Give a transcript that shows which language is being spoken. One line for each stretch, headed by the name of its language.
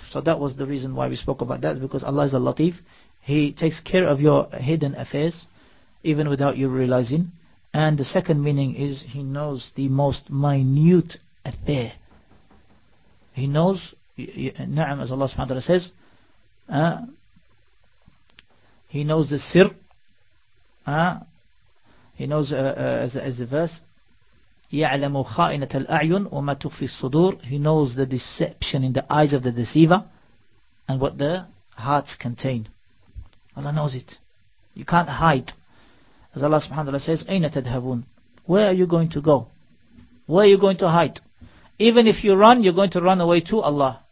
English: So that was the reason why we spoke about that, because Allah is al-latif. He takes care of your hidden affairs even without you realizing. And the second meaning is he knows the most minute affair. He knows, na'am, as Allah subhanahu wa ta'ala says, he knows the sir. He knows, as the verse,
Arabic: يَعْلَمُ خَائِنَةَ الْأَعْيُنُ وَمَا تُخْفِي الصُّدُورِ.
English: He knows the deception in the eyes of the deceiver and what the hearts contain. Allah knows it. You can't hide. As Allah subhanahu wa ta'ala says,
Arabic: أَيْنَ تَدْهَبُونَ.
English: Where are you going to go? Where are you going to hide? Even if you run, you're going to run away to Allah.